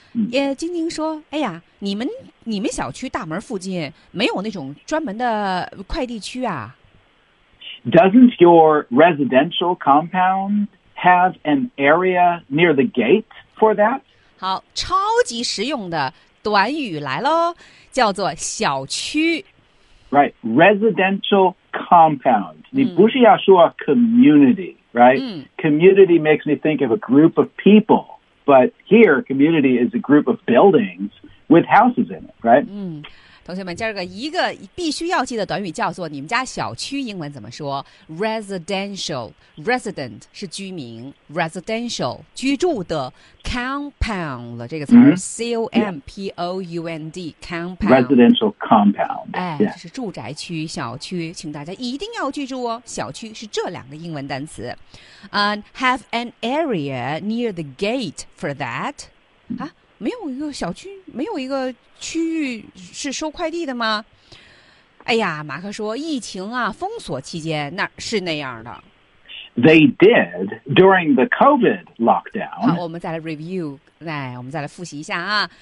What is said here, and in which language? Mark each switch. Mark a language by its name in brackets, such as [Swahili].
[Chinese] 也晶晶说,哎呀,你们小区大门附近没有那种专门的快递区啊? [English] Doesn't your residential compound... Have an area near the gate for that? [Chinese] 好，超级实用的短语来喽，叫做小区。 [English] Right, residential compound. [Chinese] 你不是要说 [English] community, right? Community makes me think of a group of people, but here community is a group of buildings with houses in it, right? [Chinese] 同学们，今儿个一个必须要记的短语叫做你们家小区英文怎么说 ？Residential, resident 是居民 ，residential 居住的 compound 了这个词 ，c o m p o u n d compound [English] residential compound，哎， yeah. [Chinese] 这是住宅区小区，请大家一定要记住哦。小区是这两个英文单词。 [English] And have an area near the gate for that 啊。 [Chinese] 没有一个小区，没有一个区域是收快递的吗？哎呀，马克说，疫情啊，封锁期间那是那样的。 [English] They did during the COVID lockdown. [Chinese] 好，我们再来 review， 来，我们再来复习一下啊。